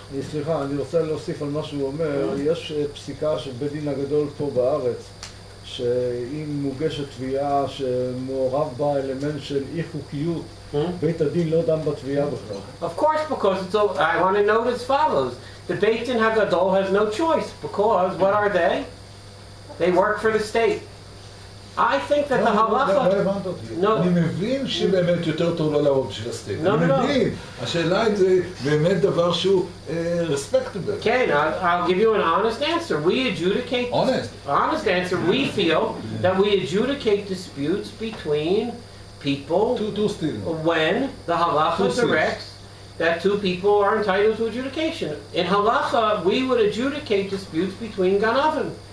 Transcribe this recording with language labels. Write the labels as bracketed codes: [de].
[he] סליחה, אני רוצה להוסיף על מה שהוא אומר. יש פסיקה של בית דין הגדול פה בארץ, שאם מוגשת תביעה שמעורב בה אלמנט של אי חוקיות, בית הדין לא דן בתביעה בכלל. [en] Of course, because it's all, I want to note as follows. The Beit Din HaGadol has no choice, because what are they? They work for the state. I think that [he] אני מבין שבאמת יותר טוב לא לעבוד בשביל הסטייט. אני מבין. השאלה אם זה באמת דבר שהוא respectable. [en] כן, I'll give you an honest answer. We adjudicate... Honest answer. We feel that we adjudicate disputes between people when the halacha directs that two people are entitled to adjudication. In halacha, we would adjudicate disputes between ganavim.